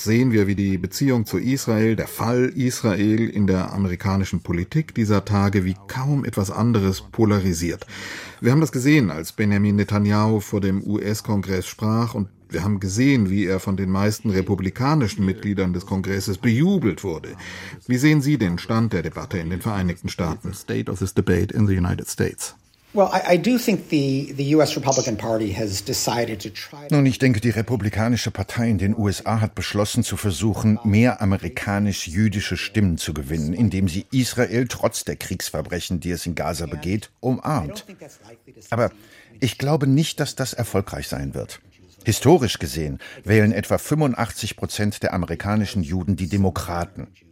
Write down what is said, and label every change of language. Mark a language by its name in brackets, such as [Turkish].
[German] sehen wir, wie die Beziehung zu Israel, der Fall Israel in der amerikanischen Politik dieser Tage wie kaum etwas anderes polarisiert. Wir haben das gesehen, als Benjamin Netanjahu vor dem US-Kongress sprach, und wir haben gesehen, wie er von den meisten republikanischen Mitgliedern des Kongresses bejubelt wurde. Wie sehen Sie den Stand der Debatte in den Vereinigten Staaten? [English] State of this debate in the United States. Well, I do think the US Republican Party has decided to try. [German] Nun, ich denke, die republikanische Partei in den USA hat beschlossen zu versuchen, mehr amerikanisch-jüdische Stimmen zu gewinnen, indem sie Israel trotz der Kriegsverbrechen, die es in Gaza begeht, umarmt. Aber ich glaube nicht, dass das erfolgreich sein wird. Historisch gesehen wählen etwa 85% der amerikanischen Juden die Demokraten.